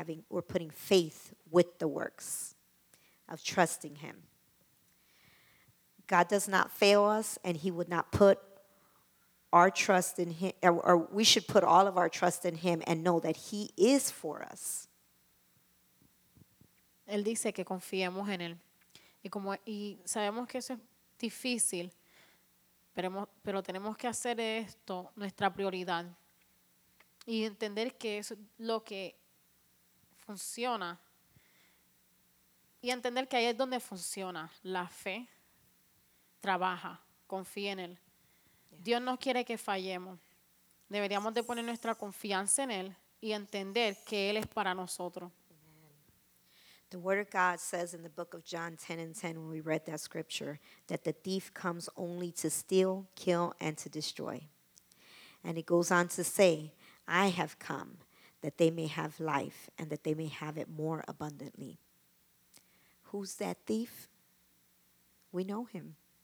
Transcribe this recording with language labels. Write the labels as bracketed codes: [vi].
[en] We're putting faith with the works of trusting him. God does not fail us, and He would not put our trust in Him, or we should put all of our trust in Him and know that He is for us. [es] Él dice que confiemos en Él. Y como y sabemos que eso es difícil, pero tenemos que hacer esto nuestra prioridad. Y entender que es lo que funciona. Y entender que ahí es donde funciona. La fe trabaja, confía en Él. Dios no quiere que fallemos. Deberíamos de poner nuestra confianza en Él y entender que Él es para nosotros. [en] The word of God says in the book of John 10:10, when we read that scripture, that the thief comes only to steal, kill, and to destroy. And it goes on to say, I have come that they may have life and that they may have it more abundantly. Who's that thief? We know him.